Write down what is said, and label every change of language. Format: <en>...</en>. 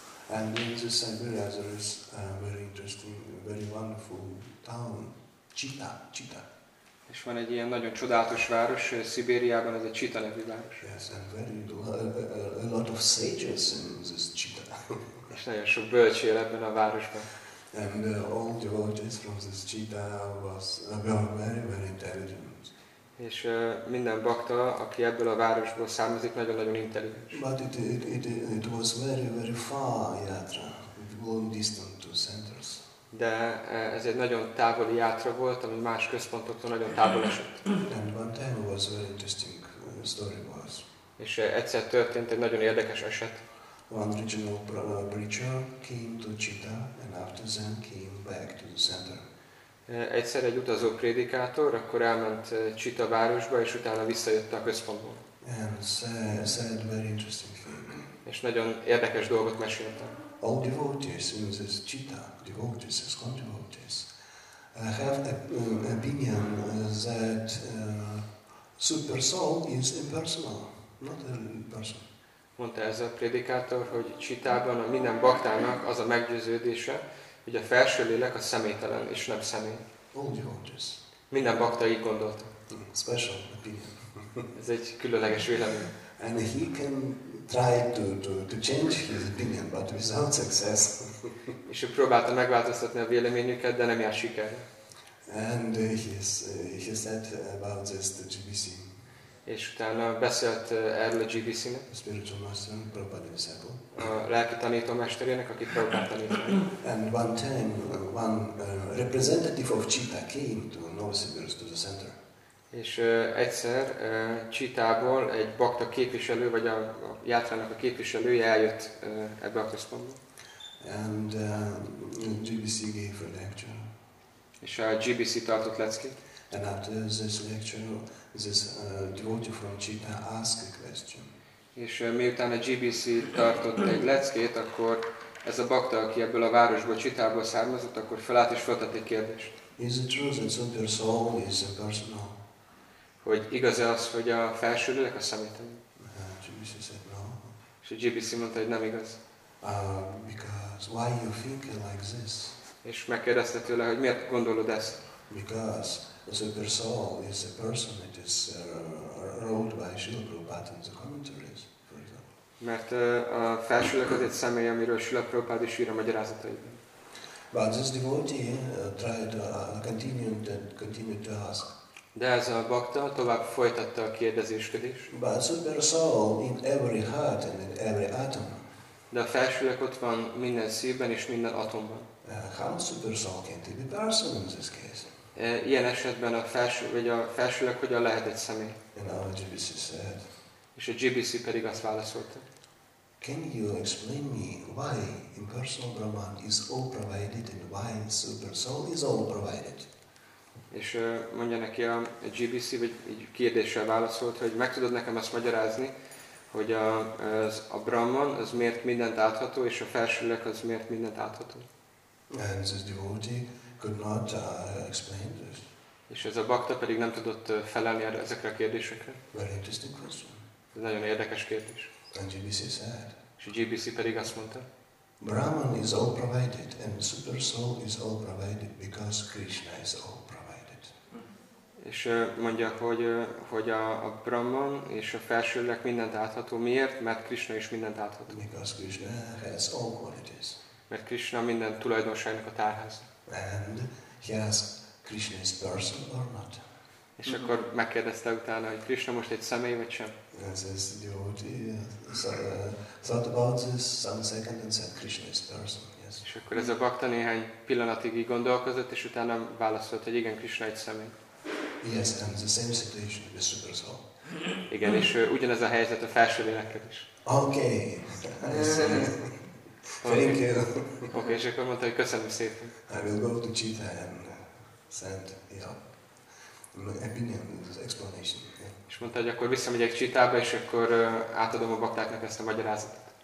<en>And in the Siberia there is a very interesting, very wonderful town, Chita.</en> <hu>És van egy ilyen nagyon csodálatos város Szibériában, ez a Chita nevű város.</hu> <en>Yes, and very a lot of sages in this Chita.</en> <hu>És nagyon sok bölcs él ebben a városban.</hu> <en>And all the devotees from this Chita were very, very intelligent.</en> <hu>És minden bakta, aki ebből a városból származik, nagyon-nagyon intelligens.</hu> <en>But it was very, very far Yatra, long distance to centers.</en> <hu>De ez egy nagyon távoli Yatra volt, ami más központoktól nagyon távol esett.</hu> <en>And one time was very interesting story was.</en> <hu>És egyszer történt egy nagyon érdekes eset.</hu> <en>One regional preacher came to Chita, and after them came back to the center.</en> <hu>Egyszer egy utazó prédikátor, akkor elment Chita városba, és utána visszajött a központba.</hu> <en>And said very interesting thing.</en> <hu>És nagyon érdekes dolgot meséltem.</hu> <en>All devotees in this Chita, devotees as devotees, have opinion that super soul is impersonal, not a person.</en> <hu>Mondta ez a prédikátor, hogy Chitában a minden baktának az a meggyőződése, hogy a felső lélek a személytelen és nem személy.</hu> <en>All devotees.</en> <hu>Minden bakta így gondolta.</hu> <en>Special opinion.</en> <hu>Ez egy különleges vélemény.</hu> <en>And he can try to change his opinion, but without success.</en> <hu>És ő próbálta megváltoztatni a véleményüket, de nem jár sikerre.</hu> <en>And he said about this to GBC.</en> <hu>És utána beszélt erről a GBC-nek.</hu> <en>A spiritual master, Prabhupada disciple.</en> <hu>A lelki tanítómesterének, akit Prabhupada tanított.</hu> <en>And one time, one representative of Chita came to Novosibirsk, to the center.</en> <hu>És egyszer Chitából egy bakta képviselő, vagy a Yatrának a képviselője eljött ebbe a központba.</hu> <en>And GBC gave a lecture.</en> <hu>És a GBC tartott leckét.</hu> <en>And after this lecture, this devotee from Chita asked a question.</en> <hu>És miután a GBC tartott egy leckét, akkor ez a bakta, aki ebből a városból, Chitából származott, akkor felállt és feltett egy kérdést.</hu> <en>Is it true that super soul is a personal?</en> <hu>Hogy igaz-e az, hogy a felső lélek a személytelen?</hu> <en>GBC said no.</en> <hu>És a GBC mondta, hogy nem igaz.</hu> <en>Because why you think like this?</en> <hu>És megkérdezte tőle, hogy miért gondolod ezt?</hu> <en>Because a super soul is a person, it is wrote by Srila Prabhupada in the commentaries, for example.</en> <hu>Mert a felsőlek az egy személy, amiről Srila Prabhupada is ír a magyarázataiban.</hu> <en>But this devotee tried to continue to ask.</en> <hu>De ez a bakta tovább folytatta a kérdezéskedést.</hu> <en>But super soul in every heart and in every atom.</en> <hu>De a felsőlek ott van minden szívben és minden atomban.</hu> <en>How super soul can't be a person in this case?</en> <hu>Ilyen esetben a felső, vagy a felsőleg hogyan lehet egy személy?</hu> <en>And our GBC said.</en> <hu>És a GBC pedig azt válaszolta.</hu> <en>Can you explain me why impersonal Brahman is all provided and why super soul is all provided?</en> <hu>És mondja neki a GBC, vagy egy kérdéssel válaszolt, hogy meg tudod nekem azt magyarázni, hogy a Brahman az miért mindent átható, és a felsőleg az miért mindent átható?</hu> <en>And this devotee could not explain this.</en> <hu>És ez a bakta pedig nem tudott felelni ezekre a kérdésekre.</hu> <en>Very interesting question.</en> <hu>Ez nagyon érdekes kérdés.</hu> <en>And GBC said.</en> <hu>És a GBC pedig azt mondta.</hu> <en>Brahman is all provided and super soul is all provided because Krishna is all provided.</en> <hu>És mondja, hogy a Brahman és a felsőleg mindent átható. Miért? Mert Krishna is mindent átható.</hu> <en>Because Krishna has all qualities.</en> <hu>Mert Krishna minden tulajdonságnak a tárháza.</hu> <en>And he asked, Krishna is person or not?</en> <hu>És akkor megkérdezte utána, hogy Krishna most egy személy vagy sem?</hu> <en>And this devotee thought about this some second and said, Krishna is person, yes.</en> <hu>ez. És akkor ez a bakta néhány pillanatig így gondolkozott, és utána válaszolt, hogy igen, Krishna egy személy.</hu> <en>Yes, and the same situation with the super soul.</en> <hu>Igen, és ugyanez a helyzet a felső lélekkel is.</hu> <en>Okay. Thank you.</en> <hu>Okay, és akkor mondta, hogy köszönöm szépen.</hu> <en>I will go to Chita and send my opinion, this explanation.</en> <hu>És mondta, hogy akkor visszamegyek Csitába, és akkor átadom a baktáknak ezt a magyarázatot.</hu>